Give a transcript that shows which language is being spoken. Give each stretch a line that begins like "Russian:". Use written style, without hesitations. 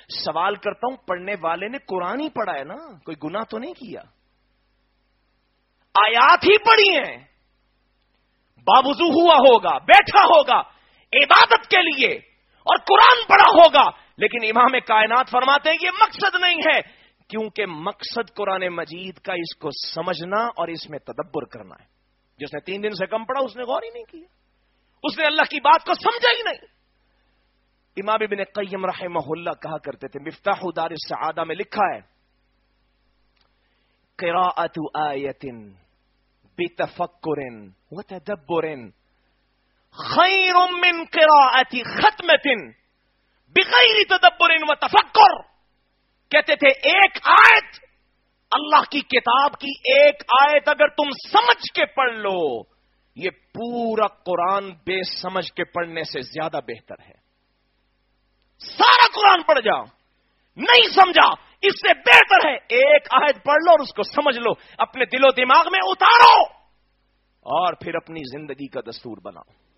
Urdu: سوال کرتا ہوں پڑھنے والے نے قرآن ہی پڑھا ہے نا، کوئی گناہ تو نہیں کیا، آیات ہی پڑھی ہیں، باوضو ہوا ہوگا، بیٹھا ہوگا عبادت کے لیے اور قرآن پڑھا ہوگا، لیکن امام کائنات فرماتے ہیں یہ مقصد نہیں ہے، کیونکہ مقصد قرآن مجید کا اس کو سمجھنا اور اس میں تدبر کرنا ہے. جس نے 3 دن سے کم پڑھا اس نے غور ہی نہیں کیا، اس نے اللہ کی بات کو سمجھا ہی نہیں. امام ابن قیم رحمہ اللہ کہا کرتے تھے، مفتاح دار السعادہ میں لکھا ہے،
Arabic: قراءة آية بتفكر وتدبر خير من قراءة ختمة بغير تدبر وتفكر.
Urdu: کہتے تھے ایک آیت اللہ کی کتاب کی ایک آیت اگر تم سمجھ کے پڑھ لو یہ پورا قرآن بے سمجھ کے پڑھنے سے زیادہ بہتر ہے. سارا قرآن پڑھ جاؤ نہیں سمجھا اس سے بہتر ہے ایک آیت پڑھ لو اور اس کو سمجھ لو اپنے دل و دماغ میں اتارو اور پھر اپنی زندگی کا دستور بناؤ.